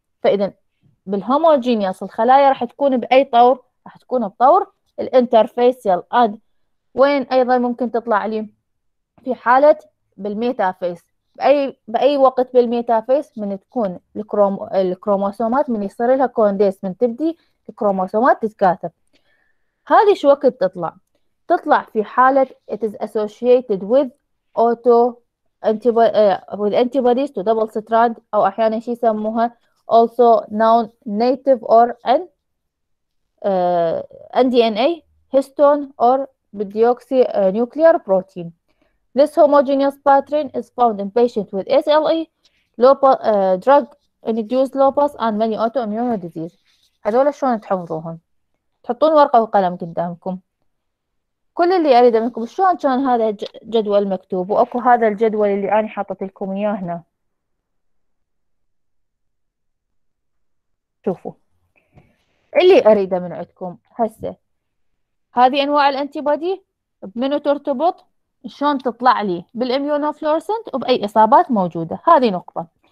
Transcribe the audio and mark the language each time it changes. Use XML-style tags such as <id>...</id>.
<ar>فإذا بالهوموجينيوس الخلايا راح تكون بأي طور؟ راح تكون بطور الانترفيسيال. اد وين ايضا ممكن تطلع لي؟ في حالة بالميتافيس. بأي وقت بالميتافيس؟ من تكون الكروموسومات من يصير لها كونديس، من تبدي الكروموسومات تتكاثر. هذه شو وقت تطلع؟ تطلع في حالة</ar> <en>it is associated with auto antibodies to double strand</en> <ar>أو أحيانا شي يسموها</ar> <en>also known native or an DNA histone or deoxy nuclear protein. This homogeneous pattern is found in patients with SLE, drug induced lupus and many autoimmune diseases.</en> <ar>هذول شلون تحفظوهم؟ تحطون ورقة وقلم قدامكم. كل اللي أريده منكم شلون كان هذا جدول مكتوب؟ وأكو هذا الجدول اللي أنا حاطت لكم إياه هنا. شوفوا اللي أريده من عندكم هسه، هذه أنواع الأنتيبادي بمنو ترتبط؟ شلون تطلع لي بالإميونوفلورسنت وبأي إصابات موجودة؟ هذه نقطة.</ar>